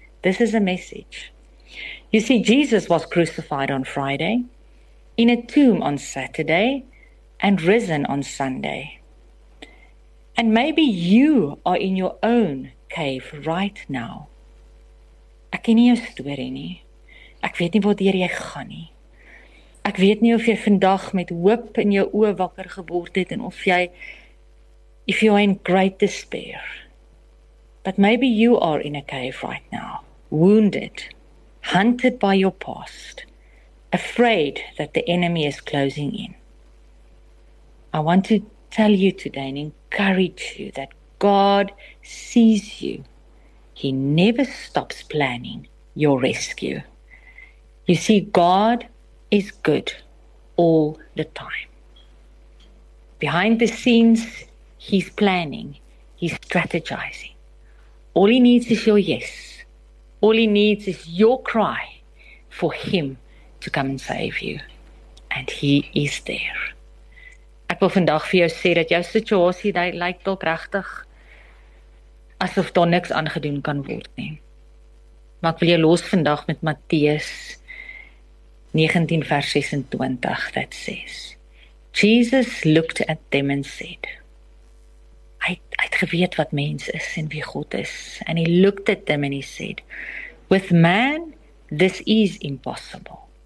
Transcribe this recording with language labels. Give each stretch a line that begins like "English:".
English: This is a message. You see, Jesus was crucified on Friday, in a tomb on Saturday, and risen on Sunday. And maybe you are in your own cave right now.
Afrikaans: Ek ken nie jou story nie. Ek weet nie waar jy gaan nie. Ek weet nie of jy vandag met hoop in jou oë wakker geword het en of jy, if you are in great despair.
English: But maybe you are in a cave right now, wounded, hunted by your past, afraid that the enemy is closing in. I want to tell you today and encourage you that God sees you. He never stops planning your rescue. You see, God is good all the time. Behind the scenes, he's planning, he's strategizing. All he needs is your yes. All he needs is your cry for him to come and save you. And he is there.
Afrikaans: Ek wil vandag vir jou sê dat jou situasie lyk dalk regtig asof daar niks aangedoen kan word nie. Maar ek wil jou los vandag met Matteus 19 vers 26 dat sê: Jesus looked at them and said, hy het geweet wat mens is en wie God is, and he looked at them and he said, with man this is impossible.